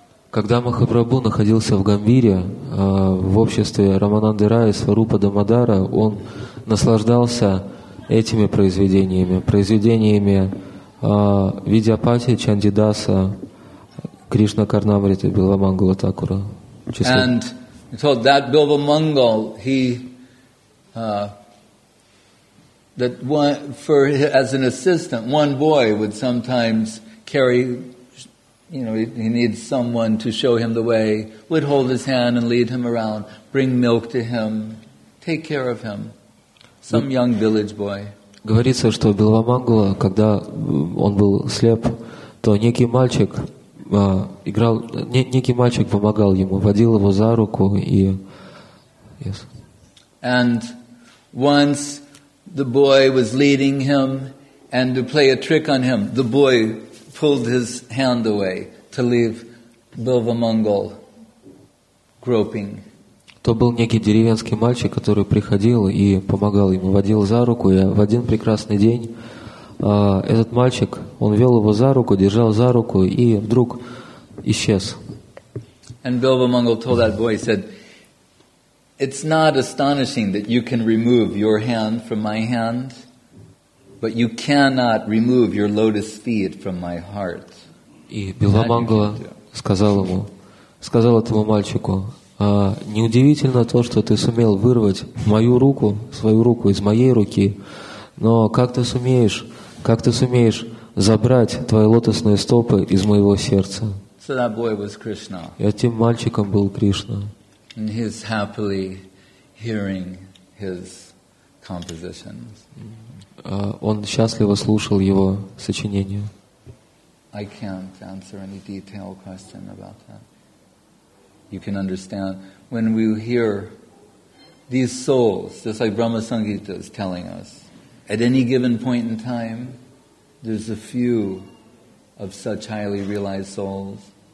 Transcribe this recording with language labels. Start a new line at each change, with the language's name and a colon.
Russian: Когда Махапрабху находился в Гамбире, в обществе Рамананды Рая и Сварупа Дамодара, он наслаждался этими произведениями, произведениями Видьяпати, Чандидаса, Кришна Карнамриты, Билвамангала Такура.
English: And so that Билвамангал, he that one for as an assistant, one boy would sometimes carry. You know, he needs someone to show him the way, would hold his hand and lead him around, bring milk to him, take care of him. Some young village boy.
Russian: Говорится, что Билвамангула, когда он был слеп, то некий мальчик помогал ему, водил его за руку и...
English: Yes. And once the boy was leading him and to play a trick on him, the boy pulled his hand away to leave Билвамангал groping.
Russian: То был некий деревенский мальчик, который приходил и помогал ему, водил за руку. И в один прекрасный день этот мальчик, он вел его за руку, держал за руку, и вдруг исчез.
English: And Билвамангал told that boy, he said, "It's not astonishing that you can remove your hand from my hand." But you cannot remove your lotus feet from my heart.
Russian: И Билвамангала сказал этому мальчику: неудивительно то, что ты сумел вырвать свою руку из моей руки, но как ты сумеешь забрать твои лотосные стопы из моего сердца?
English: So that boy was Krishna.
Russian: И этим мальчиком был Кришна.
English: And he's happily hearing his compositions.
Russian: Он счастливо слушал его сочинение.
English: I can't answer any detailed question about that. You can understand. When we hear these souls, just like Brahma Sangita is telling us, at any given point in time, there's a few of such highly realized souls.